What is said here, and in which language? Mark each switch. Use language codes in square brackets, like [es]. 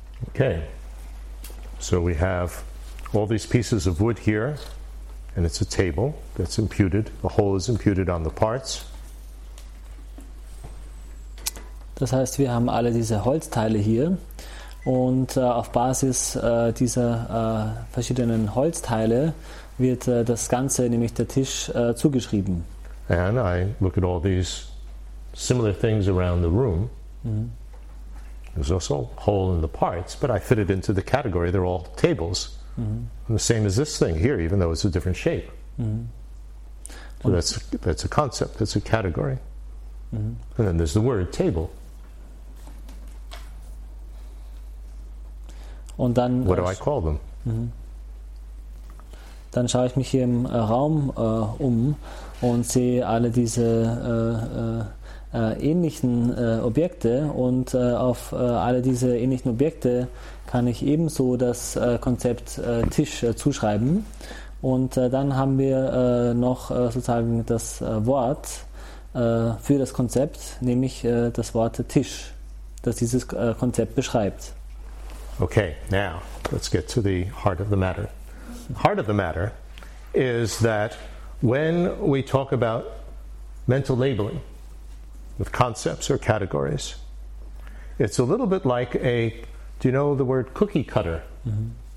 [en] Okay, so we have all these pieces of wood here, and it's a table that's imputed. The whole is imputed on the parts. [de] Das heißt, wir haben alle diese Holzteile hier, und auf Basis dieser verschiedenen Holzteile wird das Ganze, nämlich der Tisch, zugeschrieben. [en] And I look at all these similar things around the room. There's also a hole in the parts, but I fit it into the category. They're all tables. Mm-hmm. The same as this thing here, even though it's a different shape. Mm-hmm. So that's a concept. That's a category. Mm-hmm. And then there's the word table. [de] Und dann, [en] what do I call them? [de] Dann schaue ich mich hier im Raum und sehe alle diese ähnlichen Objekte, und auf alle diese ähnlichen Objekte kann ich ebenso das Konzept Tisch zuschreiben, und dann haben wir noch sozusagen das Wort für das Konzept, nämlich das Wort Tisch, das dieses Konzept beschreibt. [en] Okay, now let's get to the heart of the matter. Heart of the matter is that when we talk about mental labeling with concepts or categories, it's a little bit like a, do you know the word cookie cutter? Mm-hmm.